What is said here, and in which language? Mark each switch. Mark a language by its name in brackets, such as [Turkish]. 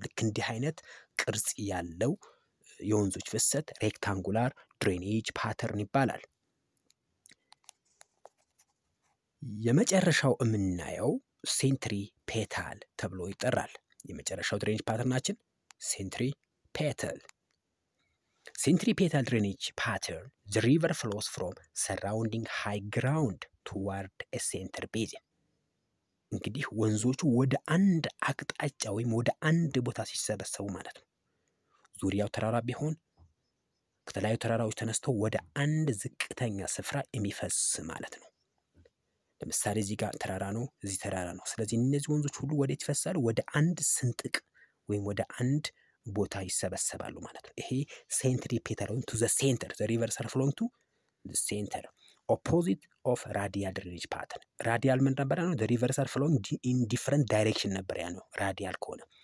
[Amharic] ልክ እንዲህ አይነት ቅርጽ ያለው የወንዞች ፍሰት rectangular drainage pattern ይባላል. የመጨረሻው እምናየው centripetal ተብሎ ይጠራል. የመጨረሻው ድሬንጅ ፓተርናችን centripetal. [English] Centripetal drainage pattern, the river flows from surrounding high ground toward a center basin. [Amharic] እንግዲህ ወንዞቹ ወደ አንድ አቅጣጫ ወይም ወደ አንድ ቦታ ሲሰበሰቡ ማለት ነው። ዙሪያው ተራራ ቢሆን ከተለያዩ ተራራዎች ተነስተው ወደ አንድ ዝቅተኛ ስፍራ የሚፈስ ማለት ነው። ለምሳሌ እዚህ ጋር ተራራ ነው እዚህ ተራራ ነው ስለዚህ እነዚህ ወንዞች ሁሉ ወደ ይፈሳሉ ወደ አንድ ስንጥቅ ወይም ወደ አንድ ቦታ ይሰበሰባሉ ማለት ነው ይሄ centripetal ወይም [English] to the center the river flowing to the center opposite of radial drainage pattern [Amharic] radial ምን ነበር ያለው [English] the river flowing in different direction [Amharic] ነበር ያለው radial ከሆነ